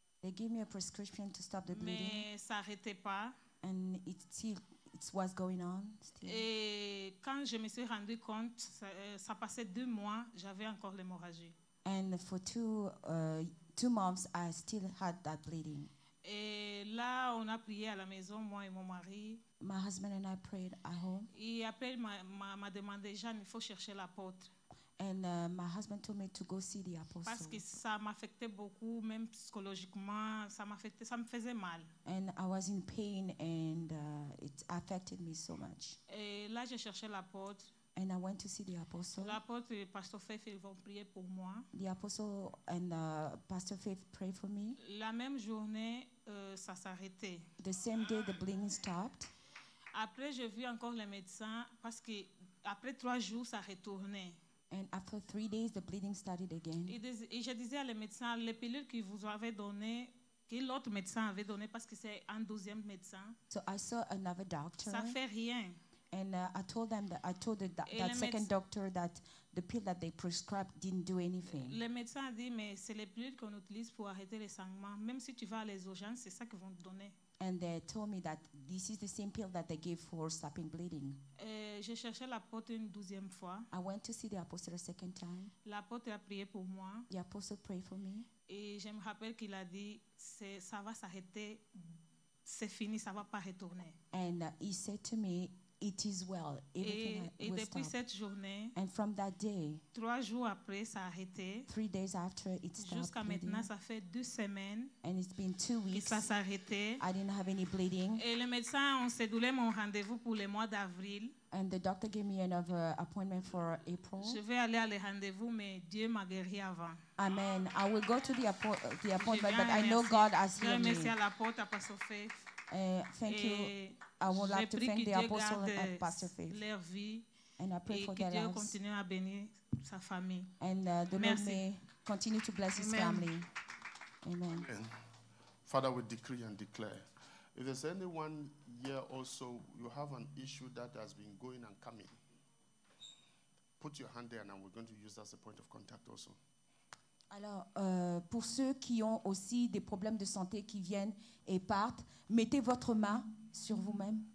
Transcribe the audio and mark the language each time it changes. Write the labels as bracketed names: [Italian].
[English] They gave me a prescription to stop the bleeding. [French] Mais ça arrêtait pas. [English] And it still it was going on. Still. [French] Et quand je me suis rendu compte, ça passait deux mois, j'avais encore l'hémorragie. [English] And for two months, I still had that bleeding. [French] Et là, on a prié à la maison, moi et mon mari. [English] My husband and I prayed at home. [French] Il appelle m'a demandé, Jeanne, il faut chercher l'apôtre. [English] And my husband told me to go see the apostle. [French] Parce que ça m'affectait beaucoup, même psychologiquement, ça m'affectait, ça me faisait mal. [English] And I was in pain, and it affected me so much. [French] Et là, j'ai cherché l'apôtre. [English] And I went to see the apostle. [French] L'apôtre et Pasteur Faith, ils vont prier pour moi. [English] The apostle and Pasteur Faith pray for me. [French] La même journée, ça s'arrêtait. [English] The same day, the bleeding stopped. [French] Après, j'ai vu encore les médecins parce que après trois jours, ça retournait. [English] And after 3 days, the bleeding started again. [French] Et je disais à les médecins, les pilules qu'ils vous avaient données, que l'autre médecin avait donné parce que c'est un deuxième médecin. [English] So I saw another doctor. [French] Ça fait rien. [English] And I told the second doctor that the pill that they prescribed didn't do anything. [French] Le médecin a dit mais c'est les pilules qu'on utilise pour arrêter les sangments. Même si tu vas à les urgences, c'est ça qu'ils vont te donner. [English] And they told me that this is the same pill that they give for stopping bleeding. [French] J'ai cherché l'apôtre une deuxième fois. [English] I went to see the apostle a second time. [French] L'apôtre a prié pour moi. [English] The apostle prayed for me. [French] Et je me rappelle qu'il a dit ça va s'arrêter, c'est fini, ça va pas retourner. [English] And he said to me, it is well. Everything [French] et depuis [English] stop. [French] Cette journée, [English] and from that day, [French] 3 jours après, ça a arrêté. [English] 3 days after, it stopped. [French] Jusqu'à maintenant, ça fait 2 semaines. [English] And it's been 2 weeks. [French] Et ça s'est arrêté. [English] I didn't have any bleeding. [French] Et le médecin a cédulé mon rendez-vous pour le mois d'avril. [English] And the doctor gave me another appointment for April. [French] Je vais aller à le rendez-vous, mais Dieu m'a guéri avant. Amen. [English] I will go to the appointment, but I know God has healed me. [French] Merci à la porte, à Pastor Faith. [English] Thank you. I would like to thank the apostle and Pastor Faith. [French] Leur vie, [English] and I pray for their lives. [French] Continue à bénir sa famille. [English] And the Lord may continue to bless his family. Amen. Amen. Father, we decree and declare. If there's anyone here also, you have an issue that has been going and coming, put your hand there and we're going to use that as a point of contact also. [French] Alors, pour ceux qui ont aussi des problèmes de santé qui viennent et partent, mettez votre main sur vous-même.